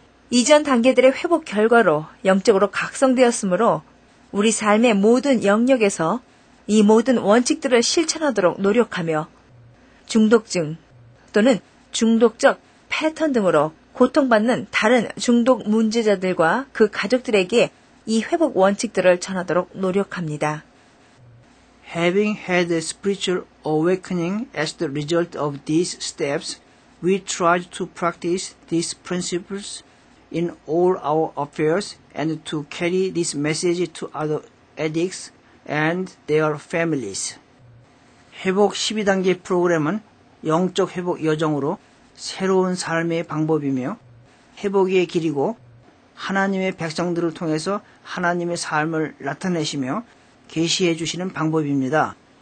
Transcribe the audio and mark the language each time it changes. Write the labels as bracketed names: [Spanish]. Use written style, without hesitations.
[Korean] 이전 단계들의 회복 결과로 영적으로 각성되었으므로 우리 삶의 모든 영역에서 이 모든 원칙들을 실천하도록 노력하며 중독증 또는 중독적 패턴 등으로 고통받는 다른 중독 문제자들과 그 가족들에게 이 회복 원칙들을 전하도록 노력합니다. [English] Having had a spiritual awakening as the result of these steps, we tried to practice these principles in all our affairs and to carry this message to other addicts and their families. [Korean] 회복 12단계 프로그램은 영적 회복 여정으로 새로운 삶의 방법이며 회복의 길이고 하나님의 백성들을 통해서 하나님의 삶을 나타내시며 계시해 주시는 방법입니다.